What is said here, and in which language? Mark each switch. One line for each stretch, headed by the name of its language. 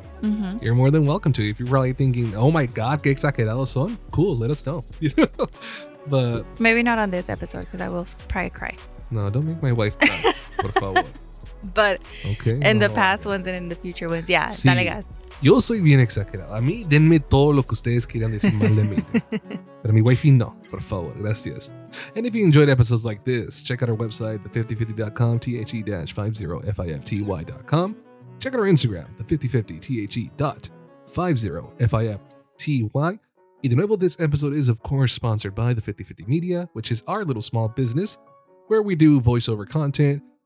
English: Mm-hmm. You're more than welcome to. If you're probably thinking, oh my God,
Spanish: que exagerados son,
English: cool, let us know. But maybe not on this episode, because I will probably cry. No, don't make my wife cry,
Spanish: por favor.
English: But okay, the past ones and in the future ones. Yeah,
Spanish: sí. Dale gas. Yo soy bien exagerado. A mí, denme todo lo que ustedes quieran decir mal de mí. Pero mi wifey, no. Por favor, gracias.
English: And if you enjoyed episodes like this, check out our website, the5050.com, the-50fity.com. Check out our Instagram, the5050the.50fifty.
Spanish: Y de nuevo,
English: this episode is, of course, sponsored by the 5050 Media, which is our little small business where we do voiceover content.